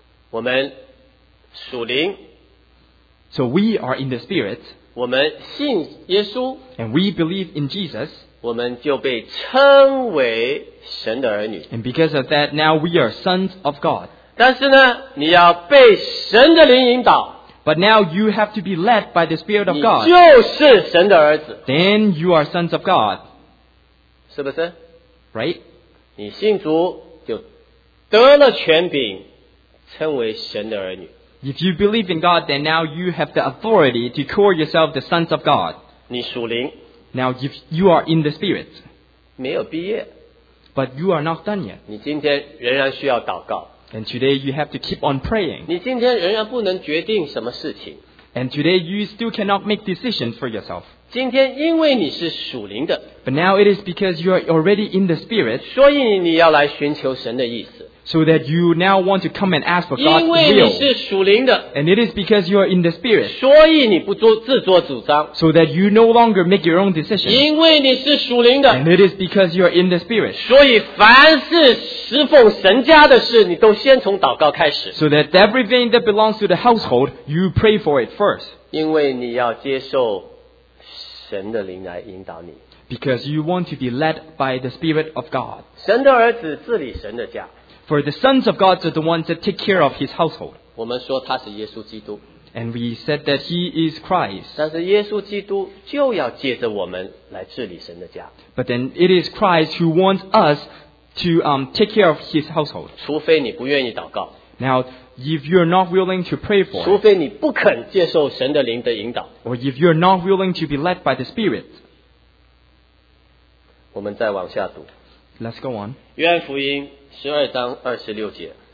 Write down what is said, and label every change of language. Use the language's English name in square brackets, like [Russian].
[Chinese] 我们属灵。 [English] So we are in the spirit. [Chinese] 我们信耶稣。 [English] And we believe in Jesus. [Chinese] 我们就被称为神的儿女。 [English] And because of that, now we are sons of God. [Chinese] 但是呢，你要被神的灵引导。 [English] But now you have to be led by the Spirit of God. [Chinese] 你就是神的儿子。 [English] Then you are sons of God. [Chinese] 是不是？ [English] Right? [Chinese] 你信主就得了权柄，称为神的儿女。 [English] If you believe in God, then now you have the authority to call yourself the sons of God. [Chinese] 你属灵。 [English] Now, if you are in the Spirit, [Chinese] 没有毕业, [English] but you are not done yet, [Chinese] 你今天仍然需要祷告, [English] and today you have to keep on praying, [Chinese] 你今天仍然不能决定什么事情, [English] and today you still cannot make decisions for yourself. [Chinese] 今天因为你是属灵的, [English] but now it is because you are already in the Spirit, [Chinese] 所以你要来寻求神的意思, [English] so that you now want to come and ask for God's will. [Chinese] 因为你是属灵的, [English] and it is because you are in the Spirit. [Chinese] 所以你不做自作主张, [English] so that you no longer make your own decision. [Chinese] 因为你是属灵的, [English] and it is because you are in the Spirit. [Chinese] 所以凡是侍奉神家的事, 你都先从祷告开始。 [English] So that everything that belongs to the household, you pray for it first. [Chinese] 因为你要接受神的灵来引导你。 [English] Because you want to be led by the Spirit of God. [Chinese] 神的儿子治理神的家。 [English] For the sons of God are the ones that take care of his household. [Chinese] 我们说他是耶稣基督。 [English] And we said that he is Christ. [Chinese] 但是耶稣基督就要借着我们来治理神的家。 [English] But then it is Christ who wants us to take care of his household. [Chinese] 除非你不愿意祷告。 [English] Now, if you are not willing to pray for it. [Chinese] 除非你不肯接受神的灵的引导。 [English] Or if you are not willing to be led by the Spirit. [Chinese] 我们再往下读。 [English] Let's go on. [Chinese] 约翰福音十二章二十六节。